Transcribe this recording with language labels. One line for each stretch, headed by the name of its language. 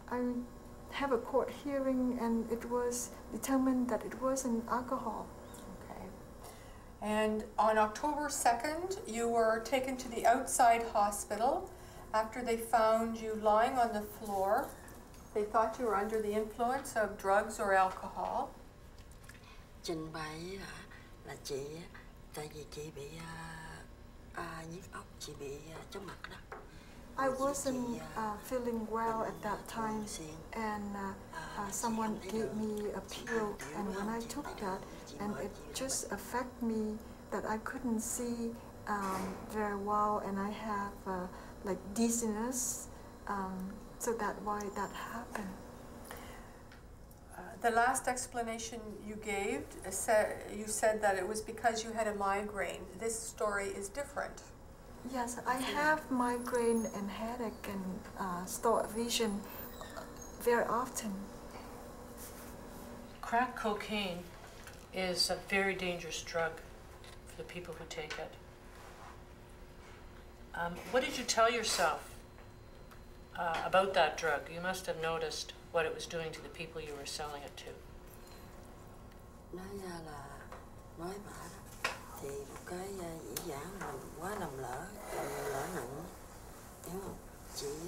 English: I have a court hearing and it was determined that it wasn't alcohol. And on October 2nd, you were taken to the outside hospital after they found you lying on the floor. They thought you were under the influence of drugs or alcohol.
Vietnamese: Trình bày là chị, tại vì chị bị nhức óc, chị bị chóng mặt đó.
English: I wasn't feeling well at that time, and someone gave me a pill, and when I took that, and it just affected me that I couldn't see very well, and I have like dizziness, so that's why that happened. The last explanation you gave, you said that it was because you had a migraine. This story is different. Yes, I have migraine and headache and slurred vision very often. Crack cocaine is a very dangerous drug for the people who take it. What did you tell yourself about that drug? You must have noticed what it was doing to the people you were selling it to.
Vietnamese: Thì một cái dĩ dãn là quá lầm lỡ nặng. Hiểu không? Chị